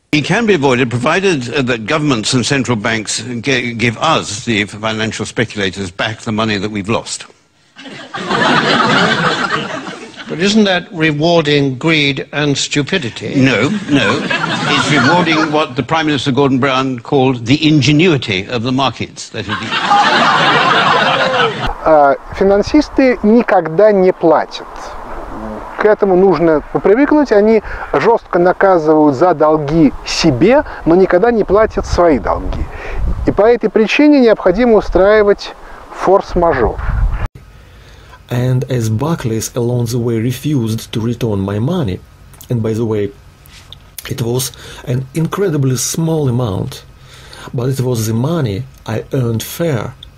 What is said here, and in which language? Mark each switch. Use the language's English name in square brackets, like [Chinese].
[English] It can be avoided provided that governments and central banks give us, the financial speculators, back the money that we've lost. But isn't that rewarding greed and stupidity? No. It's rewarding what the Prime Minister Gordon Brown called the ingenuity of the markets. [Russian] Финансисты никогда не платят. К этому нужно привыкнуть. Они жестко наказывают за долги себе, но никогда не платят свои долги. И по этой причине необходимо устраивать форс-мажор. [English] And as Barclays along the way refused to return my money, and by the way, it was an incredibly small amount, but it was the money I earned fair.